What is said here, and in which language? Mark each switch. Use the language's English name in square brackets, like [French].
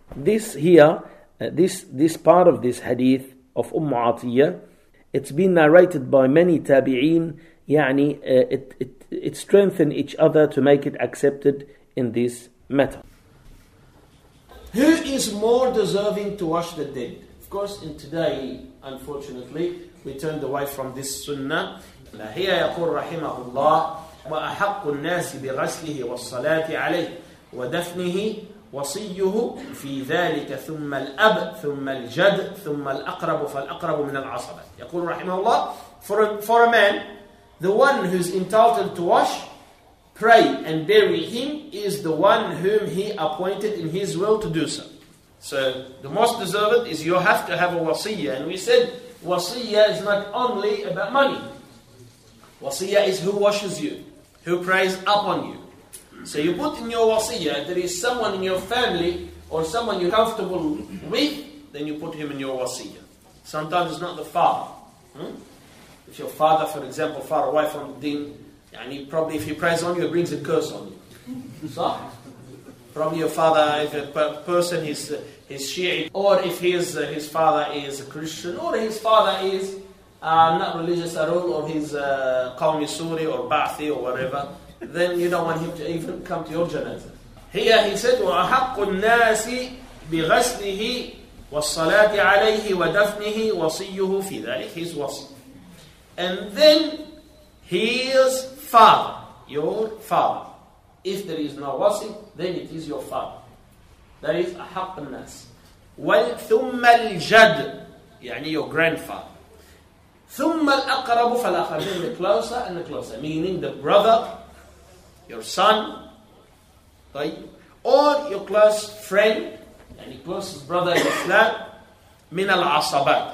[English] This here, this part of this hadith of Ummu Atiyah, it's been narrated by many tabi'een, يعني it strengthened each other to make it accepted in this matter. Who is more deserving to wash the dead? Of course, in today, unfortunately, we turned away from this sunnah. [Arabic] لا هي يقول رحمه الله وأحق الناس بغسله والصلاة عليه ودفنه وصيه في ذلك ثم الأب ثم الجد ثم الأقرب فالأقرب من العصبة. يقول رحمه الله, [English] for a man, the one who's entitled to wash, pray and bury him is the one whom he appointed in his will to do so. So the most deserved is, you have to have a wasiyah. And we said wasiyah is not only about money. Wasiyah is who washes you, who prays upon you. So you put in your wasiyah, there is someone in your family or someone you're comfortable with, then you put him in your wasiyah. Sometimes it's not the father. If your father, for example, far away from the deen, and he probably, if he prays on you, he brings a curse on you. So, probably your father, if a person is he's Shi'i, or if his father is a Christian, or his father is not religious at all, or he's Qawmi Suri or Ba'athi or whatever, then you don't want him to even come to your janazah. [Arabic] Here he said, وَأَحَقُّ النَّاسِ بِغَسْلِهِ وَالصَّلَاةِ عَلَيْهِ وَدَفْنِهِ وَصِيُّهُ فِي ذَلِكِ. [English] His wasi. And then, his father, your father. If there is no wasi, then it is your father. That is a [Arabic] haqq al-nas. Wal thumma al-jad, يعني [English] your grandfather. [Arabic] Thumma al-aqrabu fal-akhar, [English] then the closer and the closer. Meaning the brother, your son, or your close friend, يعني closest brother in Islam, [Arabic] min al-asabat.